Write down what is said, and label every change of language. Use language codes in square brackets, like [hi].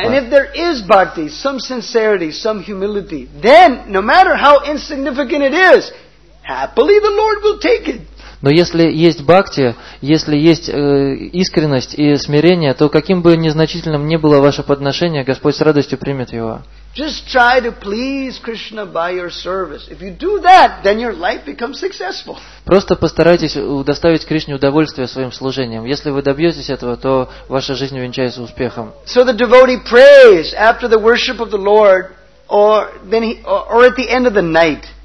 [en] And if there is bhakti, some sincerity, some humility, then, no matter how insignificant it is, happily the Lord will take it. [ru] Но если есть бхакти, если есть искренность и смирение, то каким бы незначительным ни было ваше подношение, Господь с радостью примет его. [en] Just try to please Krishna by your service. If you do that, then your life becomes successful. [ru] Просто постарайтесь удоставить Кришне удовольствие своим служением. Если вы добьетесь этого, то ваша жизнь увенчается успехом. [en] So the devotee prays after the worship of the Lord or at the end of the night.